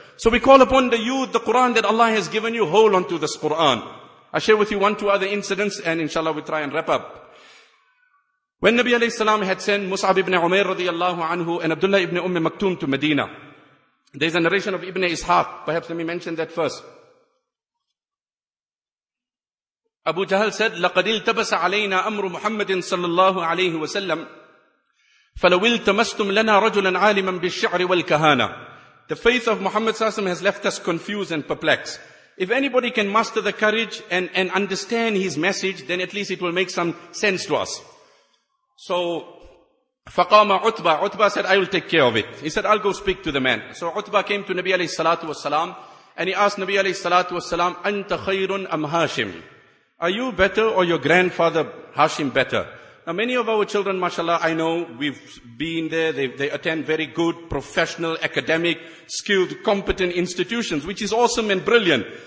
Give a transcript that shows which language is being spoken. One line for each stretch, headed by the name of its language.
English: So we call upon the youth, the Quran that Allah has given you, hold on to this Quran. I share with you one, two other incidents, and inshallah we try and wrap up. When Nabi alayhi salam had sent Mus'ab ibn Umair radiallahu anhu and Abdullah ibn Maktum to Medina, there's a narration of Ibn Ishaq. Perhaps let me mention that first. Abu Jahl said,
Arabic: لَقَدِ الْتَبَسَ عَلَيْنَا أَمْرُ مُحَمَّدٍ صَلَّى اللَّهُ عَلَيْهِ وَسَلَّمْ فَلَوِلْ تَمَسْتُمْ لَنَا رَجُلًا عَالِمًا بِالشِّعْرِ وَالْكَهَانَةِ. The faith of Muhammad Sallallahu Alaihi Wasallam has left us confused and perplexed. If anybody can master the courage and understand his message, then at least it will make some sense to us. So, فَقَامَ عُتْبَى.
English: عُتْبَى said, I will take care of it. He said, I'll go speak to the man. So عُتْبَى came to Nabi alayhi salatu wasalam, and he asked Nabi alayhi salatu wasalam,
Arabic: أَنْتَ خَيْرٌ أَمْ هَاشِمْ.
English: Are you better or your grandfather Hashim better? Now many of our children, mashallah, I know, we've been there, they attend very good, professional, academic, skilled, competent institutions, which is awesome and brilliant.